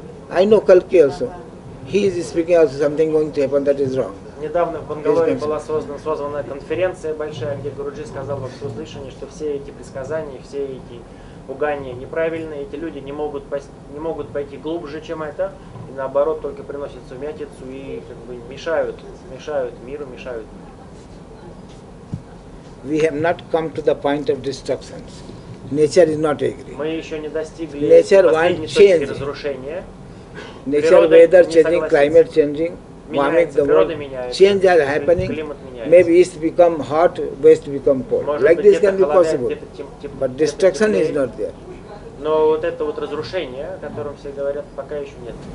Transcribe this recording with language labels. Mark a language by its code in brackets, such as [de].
[en] I know Kalki also. He is speaking also something going to happen that is wrong. [ru] Недавно в Бангалоре была созвана конференция большая, где Гуруджи сказал во всеуслышание, что все эти предсказания, все эти угания неправильные, эти люди не могут пойти глубже, чем это, и наоборот только приносят сумятицу и как бы мешают миру, мешают. [en] We have not come to the point of destructions. Nature is not angry. [ru] Мы еще не достигли последней точки разрушения. [en] Nature, weather changing, climate changing, warming the world. Change are happening. Maybe east become hot, west become cold. Like this can be possible. But destruction is not there. [ru] Но вот это вот разрушение, о котором все говорят, пока еще нет.